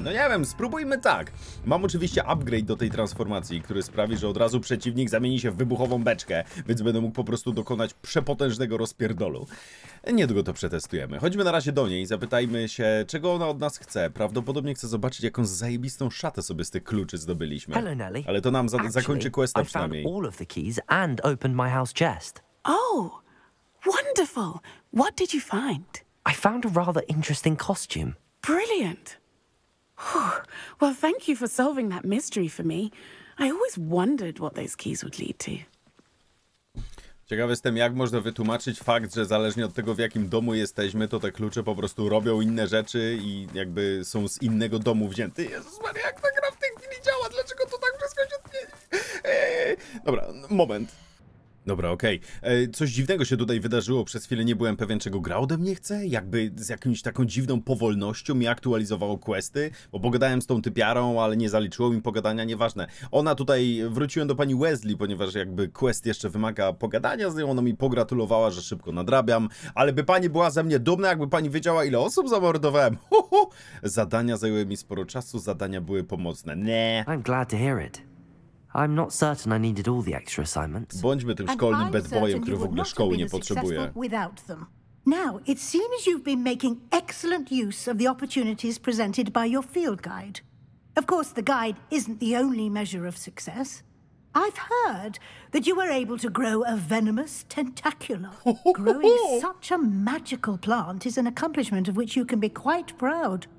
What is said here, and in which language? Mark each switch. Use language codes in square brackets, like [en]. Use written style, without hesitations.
[pl] No nie wiem, spróbujmy tak. Mam oczywiście upgrade do tej transformacji, który sprawi, że od razu przeciwnik zamieni się w wybuchową beczkę, więc będę mógł po prostu dokonać przepotężnego rozpierdolu. Niedługo to przetestujemy. Chodźmy na razie do niej i zapytajmy się, czego ona od nas chce. Prawdopodobnie chce zobaczyć, jaką zajebistą szatę sobie z tych kluczy zdobyliśmy. [en] Hello, Nelly. [pl] Ale to nam zakończy questa przynajmniej. [en] Actually, I found all of the keys and opened my house chest. Oh, wonderful. What did you find? I found a rather interesting costume. Brilliant. Well, thank you for solving that mystery for me. I always wondered what those keys would lead to. [pl] Ciekawy jestem, jak można wytłumaczyć fakt, że zależnie od tego, w jakim domu jesteśmy, to te klucze po prostu robią inne rzeczy i jakby są z innego domu wzięte. Jezus Maria, jak ta gra w tej chwili działa? Dlaczego to tak wszystko się zmieni? Dobra, moment. Dobra, okej. Coś dziwnego się tutaj wydarzyło. Przez chwilę nie byłem pewien, czego gra ode mnie chce. Jakby z jakąś taką dziwną powolnością mi aktualizowało questy. Bo pogadałem z tą typiarą, ale nie zaliczyło mi pogadania, nieważne. Ona tutaj... Wróciłem do pani Wesley, ponieważ jakby quest jeszcze wymaga pogadania z nią. Ona mi pogratulowała, że szybko nadrabiam. Ale by pani była ze mnie dumna, jakby pani wiedziała, ile osób zamordowałem. Huhu! Zadania zajęły mi sporo czasu, zadania były pomocne. Nie. [en] I'm glad to hear it. I'm not certain I needed all the extra assignments. [pl] Bądźmy tym szkolnym bad boyem, który w ogóle szkoły nie potrzebuje. [en] Now, it seems you've been making excellent use of the opportunities presented by your field guide. Of course, the guide isn't the only measure of success. I've heard that you were able to grow a venomous tentacular. Growing such a magical plant is an accomplishment of which you can be quite proud.